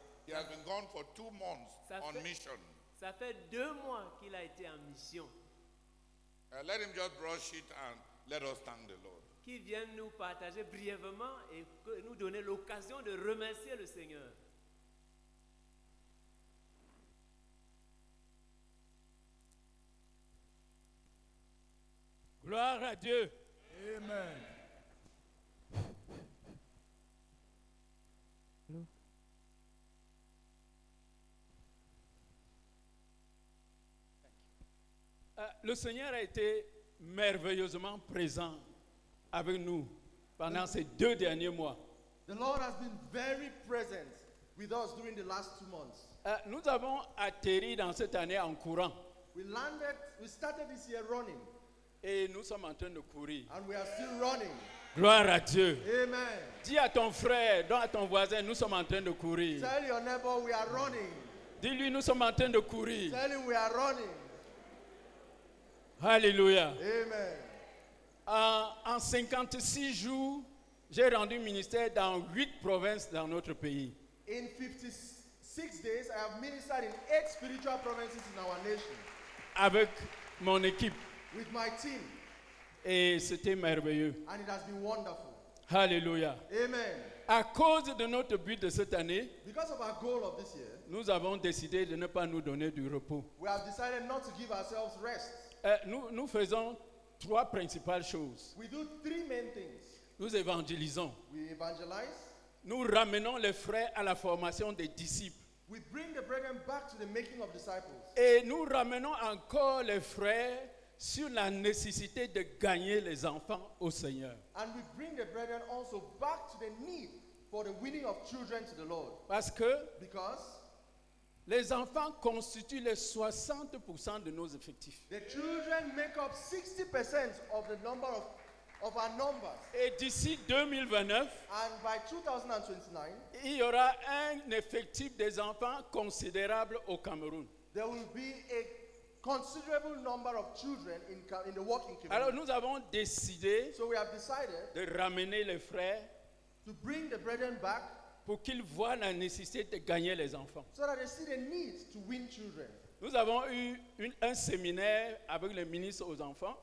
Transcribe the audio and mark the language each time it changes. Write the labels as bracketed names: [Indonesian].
[English] He has been gone for 2 months on mission. [French] Ça fait 2 mois qu'il a été en mission. [English] Let him just brush it and let us thank the Lord. [French] Qu'il vienne nous partager brièvement et nous donner l'occasion de remercier le Seigneur. Gloire à Dieu. Amen. Le Seigneur a été merveilleusement présent avec nous pendant ces 2 derniers mois. [English] The Lord has been very present with us during the last 2 months. [French] Nous avons atterri dans cette année en courant. [English] We started this year running. [French] Et nous sommes en train de courir. [English] And we are still running. [French] Gloire à Dieu. Amen. Dis à ton frère, dis à ton voisin, nous sommes en train de courir. [English] Tell your neighbor we are running. [French] Dis-lui, nous sommes en train de courir. [English] Tell him we are running. [French] Alléluia. Amen. En 56 jours, j'ai rendu ministère dans 8 provinces dans notre pays. [English] In 56 days, I have ministered in 8 spiritual provinces in our nation. [French] Avec mon équipe. [English] With my team. [French] Et c'était merveilleux. [English] And it has been wonderful. Hallelujah. Amen. [French] À cause de notre but de cette année, [English] because of our goal of this year, [French] nous avons décidé de ne pas nous donner du repos. [English] We have decided not to give ourselves rest. [French] Nous faisons 3 principales choses. [English] We do 3 main things. [French] Nous évangélisons. [English] We evangelize. [French] Nous ramenons les frères à la formation des disciples. [English] We bring the brethren back to the making of disciples. [French] Et nous ramenons encore les frères sur la nécessité de gagner les enfants au Seigneur. [English] And we bring the brethren also back to the need for the winning of children to the Lord. [French] Parce que [English] because [French] les enfants constituent les 60% de nos effectifs. [English] The children make up 60% of the number of our numbers. [French] Et d'ici 2029, [English] and by 2029, [French] il y aura un effectif des enfants considérable au Cameroun. [English] There will be a considerable number of children in the working community. [French] Alors nous avons décidé, [English] so we have decided, [French] de ramener les frères, [English] to bring the brethren back, [French] pour qu'ils voient la nécessité de gagner les enfants. [English] So that they see the need to win children. [French] Nous avons eu un séminaire avec le ministre aux enfants.